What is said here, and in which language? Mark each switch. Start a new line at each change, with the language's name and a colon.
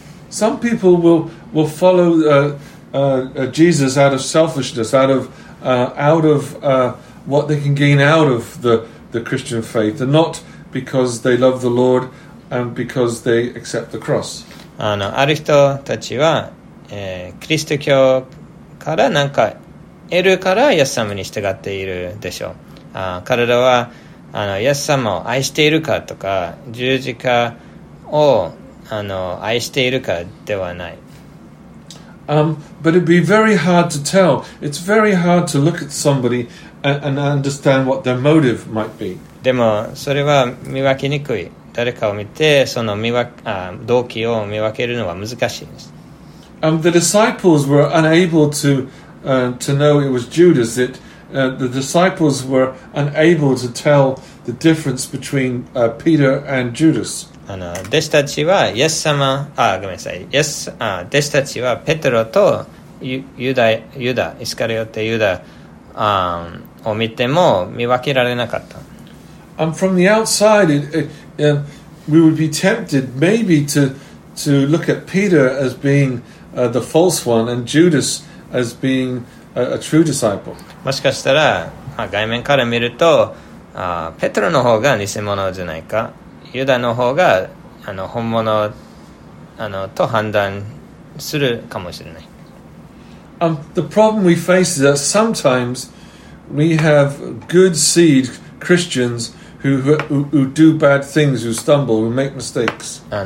English: Some people will follow Jesus out of selfishness, out of what they can gain out of the Christian faith, and not because they love the Lord and because they accept the cross.
Japanese: ある人たちは、キリスト教から何か得るからイエス様に従っているでしょう。彼らはイエス様を愛しているかとか、十字架を愛しているかではない。
English: But it'd be very hard to tell. It's very hard to look at somebody and understand what their motive might be.
Japanese: でもそれは見分けにくい。誰かを見てその動機を見分けるのは難しいです。
English: The disciples were unable to know it was Judas. The disciples were unable to tell the difference between Peter and Judas.
Japanese: 弟子たちはイエス様、弟子たちはペテロとユダ、イスカリオテユダを見ても見分けられなかった。
English: From the outside, we would be tempted maybe to look at Peter as being the false one and Judas as being a true disciple.
Japanese: もしかしたら、外面から見ると、ペトロの方が偽物じゃないか、ユダの方が本物と判断するかもしれない。
English: The problem we face is that sometimes we have good seed Christians who do bad things, who stumble, who make mistakes.